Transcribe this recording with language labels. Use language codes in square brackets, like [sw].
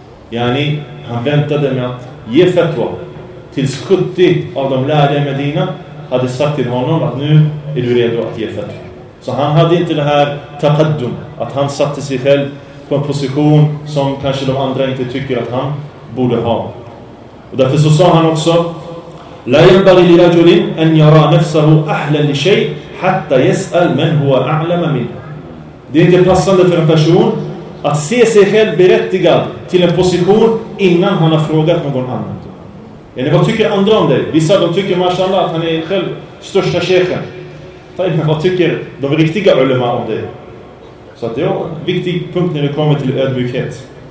[sv] Yani, han väntade med att ge fatwa tills 70 av de lärda i Medina hade sagt till honom att nu är du redo att ge fatwa. Så han hade inte det här taqaddum, att han satte sig själv på en position som kanske de andra inte tycker att han borde ha. Och därför så sa han också: [ar] لا ينبغي لرجل أن يرى نفسه أحلى لشيء حتى يسأل من هو أعلم منه. [sv] Det är inte passande för en person att se sig själv berättigad till en position innan han har frågat någon annan. Yani, vad tycker andra om dig? Vissa de tycker mashallah att han är själv största sheikhen. Men vad tycker de riktiga ulema om dig? Så att det är en viktig punkt när det kommer till ödmjukhet.